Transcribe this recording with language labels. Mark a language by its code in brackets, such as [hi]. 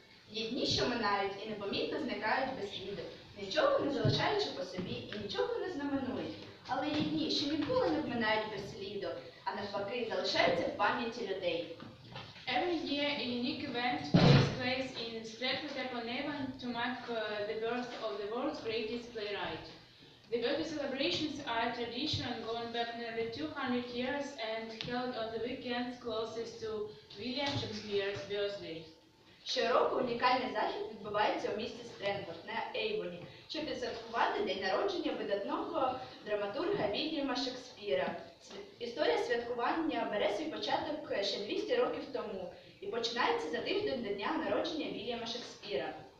[uk] Дні, що минають і непомітно зникають без сліду, нічого не залишаючи по собі і нічого не знаменують. Але є дні, що ніколи не вминають без сліду, а навпаки залишаються в пам'яті людей. [en] Every year a unique event takes place in Stratford upon Avon to mark the birth of the world's greatest playwright. The birthday celebrations are a tradition going back nearly 200 years and held on the weekends closest to William Shakespeare's birthday. [uk] Щороку унікальний захід відбувається у місті Стренфорд на Ейвоні, щоб святкувати день народження видатного драматурга Вільяма Шекспіра. Історія святкування бере свій початок ще 200 років тому і починається за тиждень до дня народження Вільяма Шекспіра.